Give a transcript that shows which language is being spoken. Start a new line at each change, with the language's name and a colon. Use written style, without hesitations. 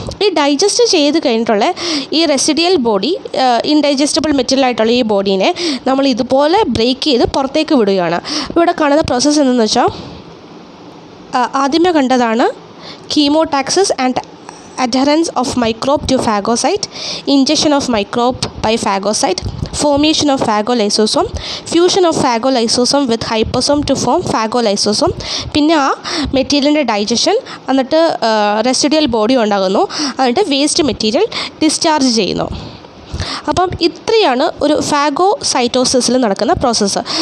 Malayalam: ഈ ഡൈജസ്റ്റ് ചെയ്ത് കഴിഞ്ഞിട്ടുള്ള ഈ റെസിഡിയൽ ബോഡി, ഇൻഡൈജസ്റ്റബിൾ മെറ്റീരിയൽ ആയിട്ടുള്ള ഈ ബോഡീനെ നമ്മൾ ഇതുപോലെ ബ്രേക്ക് ചെയ്ത് പുറത്തേക്ക് വിടുകയാണ്. ഇവിടെ കാണുന്ന പ്രോസസ്സ് എന്തെന്ന് വെച്ചാൽ ആദ്യമേ കണ്ടതാണ് chemotaxis and
English: adherence of microbe to phagocyte, ingestion of microbe by phagocyte, formation of phagolysosome, fusion of phagolysosome with hyposome to form phagolysosome,
Malayalam: പിന്നെ ആ മെറ്റീരിയലിൻ്റെ ഡൈജഷൻ, എന്നിട്ട് റെസിഡ്യൽ ബോഡി ഉണ്ടാകുന്നു, എന്നിട്ട് വേസ്റ്റ് മെറ്റീരിയൽ ഡിസ്ചാർജ് ചെയ്യുന്നു. അപ്പം ഇത്രയാണ് ഒരു ഫാഗോസൈറ്റോസിസിൽ നടക്കുന്ന പ്രോസസ്സ്.